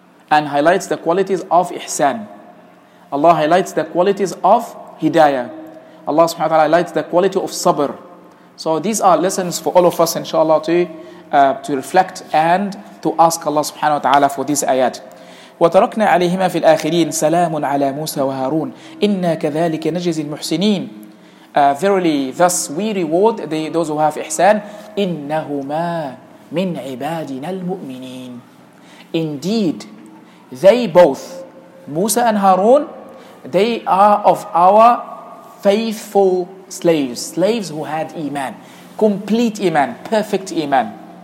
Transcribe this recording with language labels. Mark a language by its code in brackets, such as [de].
[en] and highlights the qualities of ihsan. Allah highlights the qualities of hidayah. Allah subhanahu wa ta'ala highlights the quality of sabr. So these are lessons for all of us, inshallah, to reflect and to ask Allah subhanahu wa ta'ala for this ayat. [ar] وَتَرَكْنَا عَلَيْهِمَا فِي الْآخِرِينَ سَلَامٌ عَلَى مُوسَى وَهَارُونَ إِنَّا كَذَلِكَ نَجْزِي الْمُحْسِنِينَ [en] Verily, thus we reward those who have ihsan. [ar] إِنَّهُمَا مِنْ عِبَادِنَا الْمُؤْمِنِينَ [en] Indeed, they both, Musa and Harun, they are of our faithful slaves, slaves who had iman, complete iman, perfect iman.